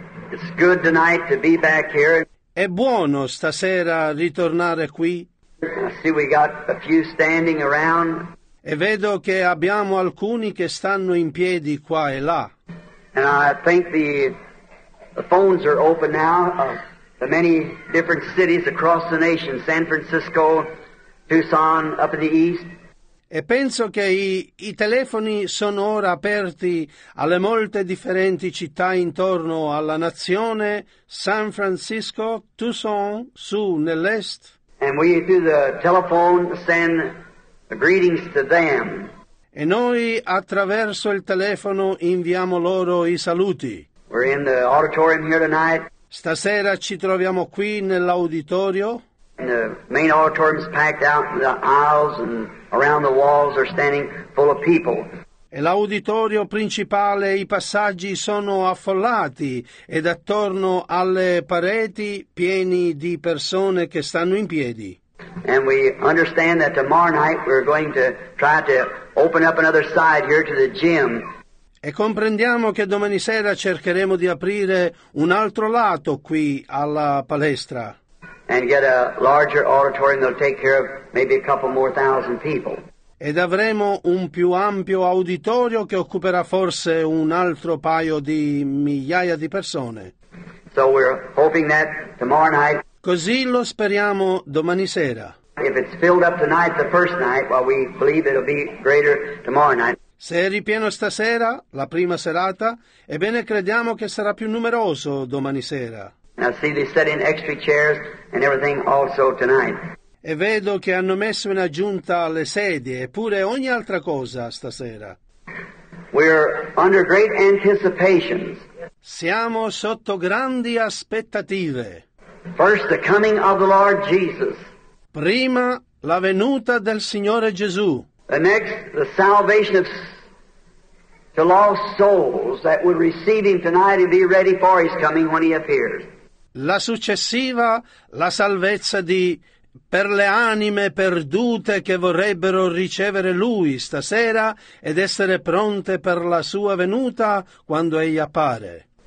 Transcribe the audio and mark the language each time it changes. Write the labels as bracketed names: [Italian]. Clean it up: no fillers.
[English] It's good tonight to be back here. [Italian] È buono stasera ritornare qui. [English] I see we got a few standing around. [Italian] E vedo che abbiamo alcuni che stanno in piedi qua e là. [English] And I think the phones are open now the many different cities across the nation, San Francisco, Tucson, up in the east. [Italian] E penso che i telefoni sono ora aperti alle molte differenti città intorno alla nazione, San Francisco, Tucson, su nell'est. [English] And we through the telephone send greetings to them. [Italian] E noi attraverso il telefono inviamo loro i saluti. [English] We're in the auditorium here tonight. [Italian] Stasera ci troviamo qui nell'auditorio. [English] And the main auditorium is packed out in the aisles and around the walls are standing full of people. [Italian] E l'auditorio principale, i passaggi sono affollati ed attorno alle pareti pieni di persone che stanno in piedi. [English] And we understand that tomorrow night we're going to try to open up another side here to the gym. [Italian] E comprendiamo che domani sera cercheremo di aprire un altro lato qui alla palestra. [English] And get a larger auditorium that'll take care of maybe a couple more thousand people. [Italian] Ed avremo un più ampio auditorio che occuperà forse un altro paio di migliaia di persone. [English] So we're hoping that tomorrow night. [Italian] Così lo speriamo domani sera. [English] If it's filled up tonight, the first night, well, we believe it'll be greater tomorrow night. [Italian] Se è ripieno stasera, la prima serata, ebbene crediamo che sarà più numeroso domani sera. [English] And I see they set in extra chairs and everything also tonight. [Italian] E vedo che hanno messo in aggiunta le sedie, eppure ogni altra cosa stasera. [English] We're under great anticipations. [Italian] Siamo sotto grandi aspettative. [English] First, the coming of the Lord Jesus. [Italian] Prima, la venuta del Signore Gesù. [English] The next, the salvation of the lost souls that would receive Him tonight and be ready for His coming when He appears. [Italian] La successiva, la salvezza di per le anime perdute che vorrebbero ricevere Lui stasera ed essere pronte per la sua venuta quando Egli appare.